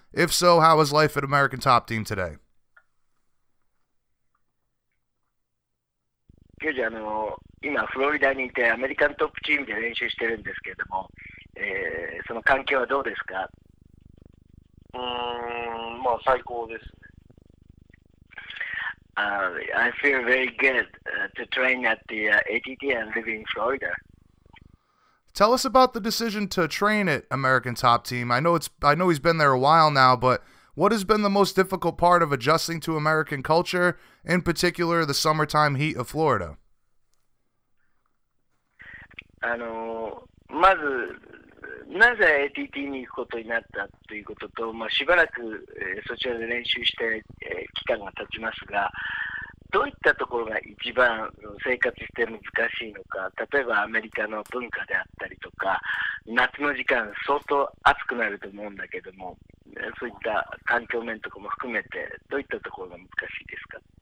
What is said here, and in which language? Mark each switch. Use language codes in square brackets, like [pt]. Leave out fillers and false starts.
[en] If so, how is life at American Top Team today? [ja] Kyoji, 今フロリダにいてアメリカントップチームで練習してるんですけれども、その環境はどうですか？まあ最高ですね。 [en] I feel very good to train at the ATT and live in Florida. Tell us about the decision to train at American Top Team. I know he's been there a while now, but what has been the most difficult part of adjusting to American culture, in particular the summertime heat of Florida? [ja] まず、なぜ ATT に行くことになったということと、まあ、しばらく、そちらで練習して、期間が経ちますが、どういったところが一番生活して難しいのか、例えばアメリカの文化であったりとか、夏の時間相当暑くなると思うんだけども、そういった環境面とかも含めて、どういったところが難しいですか？